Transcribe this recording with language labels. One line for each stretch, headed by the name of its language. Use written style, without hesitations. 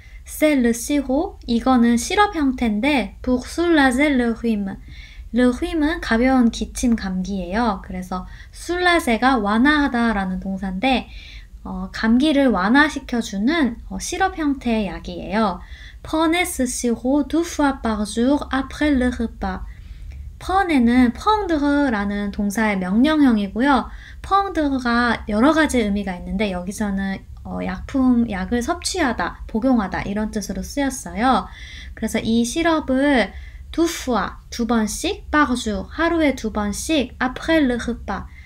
Korean: 셀르시호 이거는 시럽 형태인데 북술라젤 르휘임 르휘임은 가벼운 기침 감기예요. 그래서 술라제가 완화하다라는 동사인데 감기를 완화시켜주는 시럽 형태의 약이에요.
French: Prenez sirop deux fois par jour après le repas.
Korean: Prenez는 prendre라는 동사의 명령형이고요. Prendre가 여러 가지 의미가 있는데 여기서는 약품, 약을 섭취하다, 복용하다 이런 뜻으로 쓰였어요. 그래서 이 시럽을
French: deux fois,
Korean: 두 번씩,
French: par jour,
Korean: 하루에 두 번씩
French: après le repas.